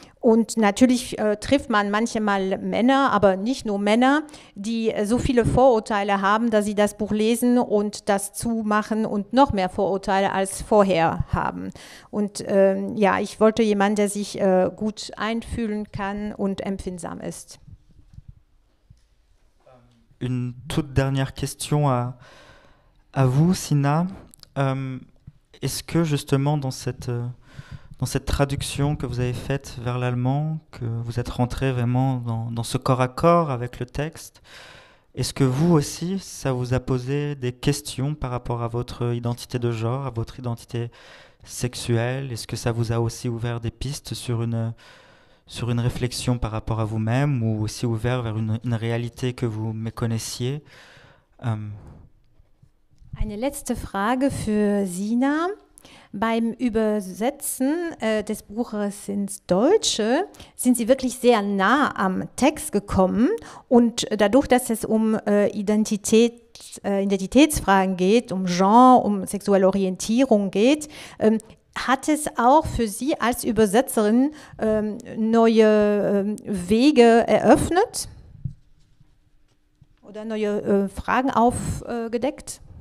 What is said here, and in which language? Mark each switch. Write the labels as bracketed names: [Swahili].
[German] Und natürlich trifft man manchmal Männer, aber nicht nur Männer, die so viele Vorurteile haben, dass sie das Buch lesen und das zumachen und noch mehr Vorurteile als vorher haben. Und ja, ich wollte jemanden, der sich gut einfühlen kann und empfindsam ist. [French] Une toute dernière question à vous, Sina. Est-ce que justement dans cette traduction que vous avez faite vers l'allemand, que vous êtes rentré vraiment dans ce corps à corps avec le texte, est-ce que vous aussi, ça vous a posé des questions par rapport à votre identité de genre, à votre identité sexuelle? Est-ce que ça vous a aussi ouvert des pistes sur une réflexion par rapport à vous-même, ou aussi ouvert vers une réalité que vous méconnaissiez. [German] Eine letzte Frage für Sina. Beim Übersetzen des Buches ins Deutsche sind Sie wirklich sehr nah am Text gekommen. Und dadurch, dass es um Identitätsfragen geht, um Genre, um sexuelle Orientierung geht, hat es auch für Sie als Übersetzerin neue Wege eröffnet oder neue Fragen aufgedeckt?